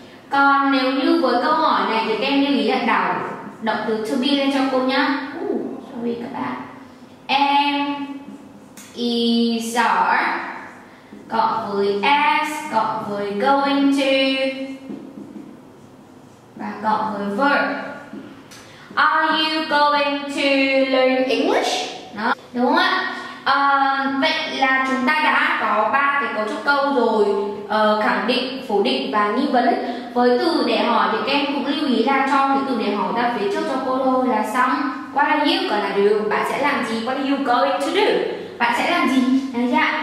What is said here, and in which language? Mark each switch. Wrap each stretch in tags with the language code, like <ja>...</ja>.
<vi>Còn nếu như với câu hỏi này thì các em lưu ý là đảo động từ to be lên cho cô nhá. To be các bạn. Am, is, are cộng với as cộng với going to và cộng với verb.</vi> <en>Are you going to learn English?</en> <vi>Đó, đúng không ạ? Vậy là chúng ta đã có ba cái cấu trúc câu rồi, khẳng định, phủ định và nghi vấn. Với từ để hỏi thì các em cũng lưu ý là cho cái từ để hỏi ra phía trước cho cô thôi là xong.</vi> <en>What are you gonna do?</en> <vi>Bạn sẽ làm gì?</vi> <en>What are you going to do?</en> <vi>Bạn sẽ làm gì? Đấy chứ ạ?</vi>